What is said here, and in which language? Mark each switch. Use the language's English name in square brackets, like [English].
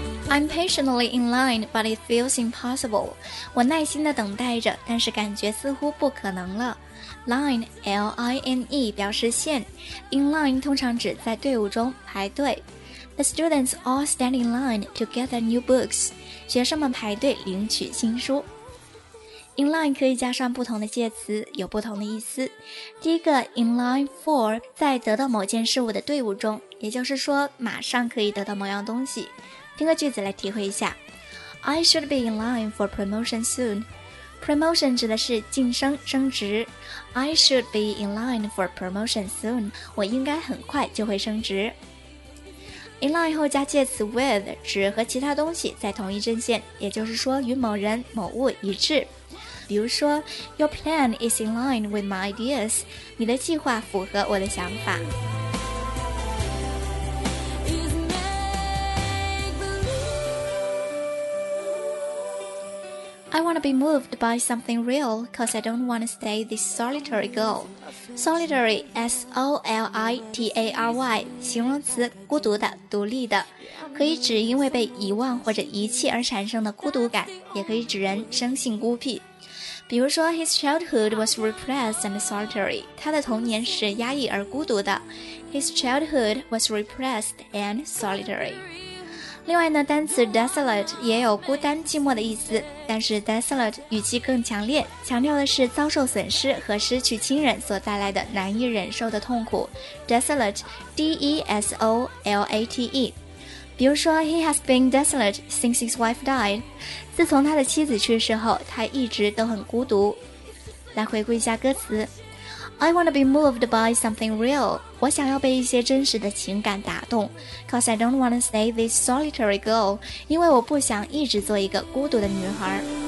[English] I'm patiently in line, but it feels impossible. [Chinese] 我耐心地等待着，但是感觉似乎不可能了。 Line, L-I-N-E, 表示线。In line 通常指在队伍中排队。 [English] The students all stand in line to get their new books. [Chinese] 学生们排队领取新书。In line 可以加上不同的介词，有不同的意思。第一个 in line for 在得到某件事物的队伍中，也就是说马上可以得到某样东西。听个句子来体会一下 [English] I should be in line for promotion soon. Promotion [Chinese] 指的是晋升、升职 [English] I should be in line for promotion soon. [Chinese] 我应该很快就会升职。In line 后加介词 with 指和其他东西在同一阵线，也就是说与某人、某物一致。比如说 [English] Your plan is in line with my ideas. [Chinese] 你的计划符合我的想法。 [English] I want to be moved by something real because I don't want to stay this solitary girl. [Chinese] Solitary, S-O-L-I-T-A-R-Y, 形容词孤独的、独立的，可以指因为被遗忘或者遗弃而产生的孤独感，也可以指人生性孤僻。比如说 [English] His childhood was repressed and solitary. [Chinese] 他的童年是压抑而孤独的。 [English] His childhood was repressed and solitary. [Chinese] 另外呢，单词 desolate 也有孤单寂寞的意思，但是 desolate 语气更强烈，强调的是遭受损失和失去亲人所带来的难以忍受的痛苦。 [English] desolate, D-E-S-O-L-A-T-E。 [Chinese] 比如说 [English] ,he has been desolate since his wife died. [Chinese] 自从他的妻子去世后，他一直都很孤独。来回顾一下歌词。 [English] I want to be moved by something real. [Chinese] 我想要被一些真实的情感打动。 [English] Cause I don't want to stay this solitary girl. [Chinese] 因为我不想一直做一个孤独的女孩。